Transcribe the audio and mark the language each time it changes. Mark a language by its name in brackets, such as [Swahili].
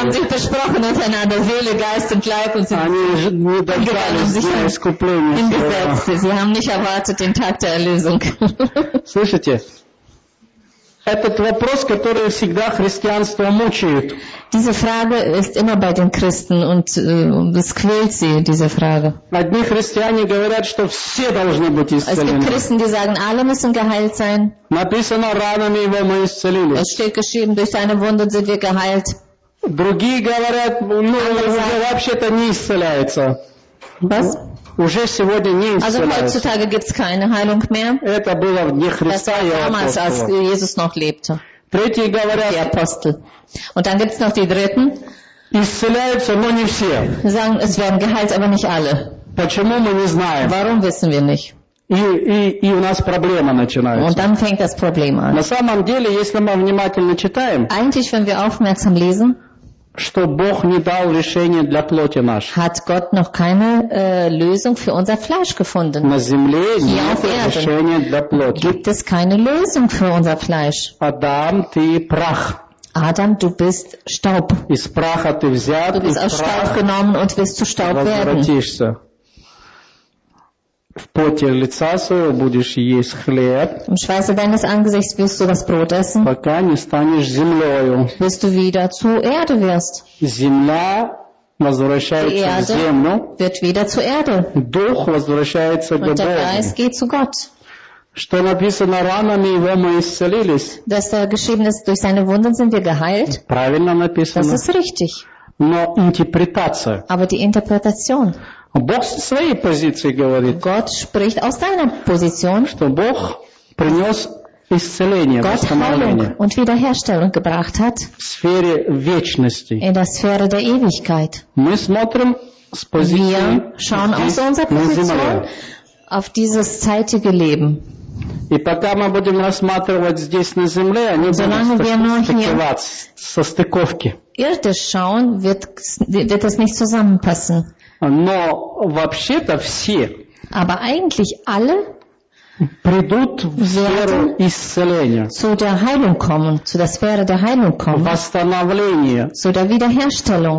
[German] haben sich besprochen untereinander, Seele, Geist und Leib, und sie haben nicht erwartet den Tag der Erlösung. [Russian] Слышите? Этот вопрос, который всегда христианство мучает. [German] Diese Frage ist immer bei den Christen und es quält sie, diese Frage. [Russian] Одни христиане говорят, что все должны быть исцелены. [German] Es gibt Christen, die sagen, alle müssen geheilt sein. [Russian] Написано, ранами его мы исцелились. [German] Es steht geschrieben, durch seine Wunden sind wir geheilt. [Russian] Другие говорят, ну, уже вообще-то не исцеляется. [German] Was? [Russian] Уже сегодня не исцеляется. [German] Also heutzutage gibt's keine Heilung mehr. [Russian] Это было в дни Христа и апостолов. [German] Als Jesus noch lebte. [Russian] Третьи говорят, [German] die Apostel. Und dann gibt's noch die Dritten. [Russian] исцеляются, но не все. [German] Sagen, es werden geheilt, aber nicht alle. [Russian] Почему мы не знаем? [German] Warum wissen wir nicht? [Russian] И у нас проблема начинается. [German] Und dann fängt das Problem an. [Russian] На самом деле, если мы внимательно читаем, [German] eigentlich, wenn wir aufmerksam lesen, [Russian] что Бог не дал решение для плоти нашей. [German] Hat Gott noch keine Lösung für unser Fleisch gefunden? [Russian] На земле нет решения для плоти. [German] Gibt es keine Lösung für unser Fleisch? [Russian] Адам, ты прах. [German] Adam, du bist Staub. [Russian] Из праха ты взят. [German] Du bist aus Staub genommen und wirst zu Staub werden. [Russian] В поте лица своего будешь есть хлеб. [German] Im Schweiße deines Angesichts wirst du das Brot essen. [Russian] Пока не станешь землею. [German] Bis du wieder zur Erde wirst. [Russian] Земля возвращается в землю. [German] Wird wieder zur Erde. [Russian] Дух возвращается к Богу. [German] Und der Geist geht zu Gott. [Russian] Что написано, ранами его мы исцелились. [German] Dass da geschrieben ist, durch seine Wunden sind wir geheilt. [Russian] Правильно написано. [German] Das ist richtig. [Russian] Но интерпретация. [German] Aber die Interpretation. [Russian] Бог со своей позиции говорит. [German] Gott spricht aus seiner Position. [Russian] Что Бог принес исцеление, [German] Gott [Russian] восстановление. [German] Heilung und Wiederherstellung gebracht hat. [Russian] В сфере вечности. [German] In der Sphäre der Ewigkeit. [Russian] Мы смотрим с позиции. [German] Wir schauen aus unserer Position. Auf dieses zeitige Leben. [Russian] И пока мы будем рассматривать здесь на земле, они будут состыковки. [German] Schauen, wird das nicht zusammenpassen. [Russian] Но вообще-то все. [German] Aber eigentlich alle [Russian] придут в сферу исцеления. [German] Zu der Heilung kommen, zu der Sphäre der Heilung kommen. [Russian] Восстановление. [German] Zu der Wiederherstellung.